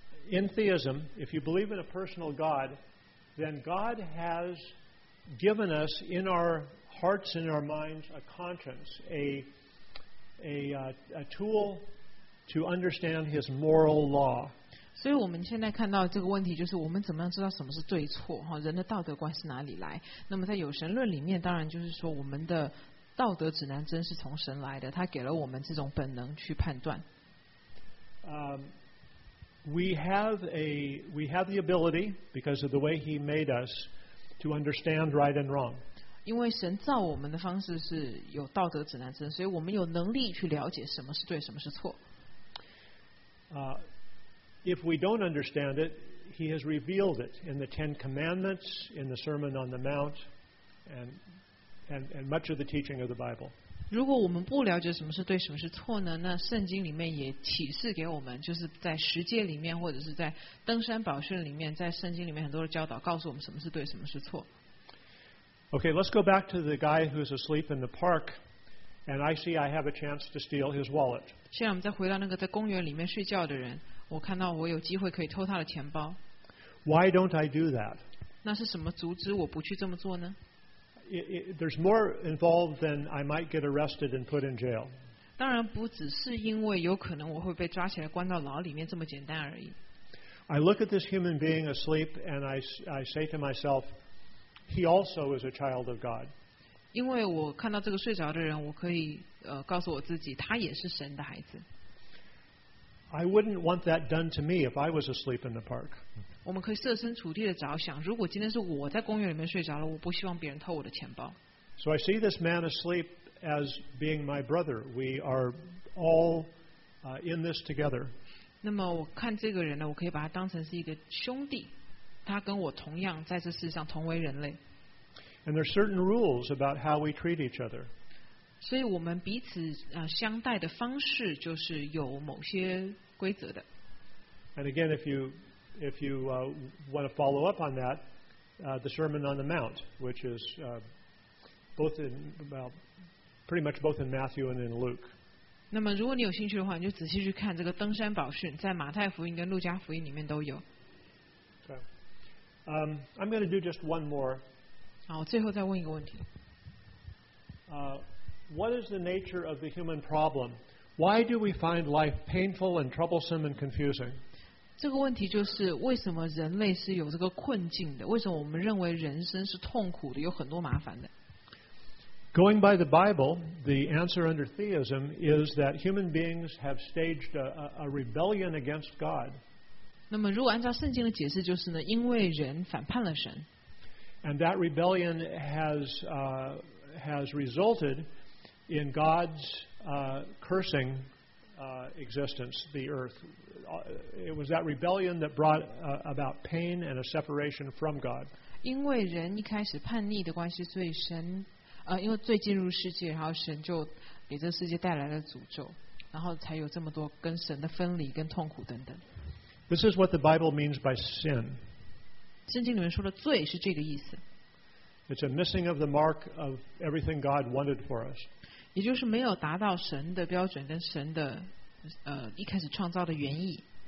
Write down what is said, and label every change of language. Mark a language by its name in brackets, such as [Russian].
[English] In theism, if you believe in a personal God, then God has given us in our hearts and our minds a conscience, a tool to understand His moral law. [Chinese] 所以我们现在看到这个问题就是我们怎么样知道什么是对错，哈，人的道德观是哪里来？那么在有神论里面，当然就是说我们的道德指南针是从神来的，他给了我们这种本能去判断。 [English] We have the ability because of the way He made us to understand right and wrong. [Chinese] 因为神造我们的方式是有道德指南针，所以我们有能力去了解什么是对，什么是错。 [English] If we don't understand it, He has revealed it in the Ten Commandments, in the Sermon on the Mount, and much of the teaching of the Bible. [Chinese] 如果我们不了解什么是对什么是错呢，那圣经里面也启示给我们，就是在十诫里面或者是在登山宝训里面，在圣经里面很多的教导告诉我们什么是对什么是错。 [English] Okay, let's go back to the guy who's asleep in the park and I see I have a chance to steal his wallet. [Chinese] 现在我们再回到那个在公园里面睡觉的人，我看到我有机会可以偷他的钱包。 [English] Why don't I do that? [Chinese] 那是什么阻止我不去这么做呢？ [English] There's more involved than I might get arrested and put in jail. [Chinese] 当然不只是因为有可能我会被抓起来关到牢里面这么简单而已。 [English] I look at this human being asleep and I say to myself, he also is a child of God. [Chinese] 因为我看到这个睡着的人，我可以告诉我自己，他也是神的孩子。 [English] I wouldn't want that done to me if I was asleep in the park. [Chinese] 我们可以设身处地的着想，如果今天是我在公园里面睡着了，我不希望别人偷我的钱包。 [English] So I see this man asleep as being my brother. We are all in this together. [Chinese] 那么我看这个人呢，我可以把他当成是一个兄弟，他跟我同样在这世上同为人类。 [English] And there are certain rules about how we treat each other. [Chinese] 所以我们彼此相待的方式就是有某些规则的。 [English] And again, if you want to follow up on that, the Sermon on the Mount, which is pretty much both in Matthew and in Luke. [Chinese] 那么如果你有兴趣的话，你就仔细去看这个登山宝训，在马太福音跟路加福音里面都有。 [English] Okay. I'm going to do just one more. [Chinese] 好，我最后再问一个问题。 [English] What is the nature of the human problem? Why do we find life painful and troublesome and confusing? [Chinese] 这个问题就是为什么人类是有这个困境的？为什么我们认为人生是痛苦的，有很多麻烦的 [English] ？Going by the Bible, the answer under theism is that human beings have staged a rebellion against God. [Chinese] 那么，如果按照圣经的解释，就是呢，因为人反叛了神。 [English] And that rebellion has resulted in God's cursing existence, the earth. It was that rebellion that brought about pain and a separation from God. [Chinese] 因为人一开始叛逆的关系，所以神，因为罪进入世界，然后神就给这世界带来了诅咒，然后才有这么多跟神的分离跟痛苦等等。 [English] This is what the Bible means by sin. [Chinese] 圣经里面说的罪是这个意思。 [English] It's a missing of the mark of everything God wanted for us. [Chinese] 也就是没有达到神的标准跟神的一开始创造的原意。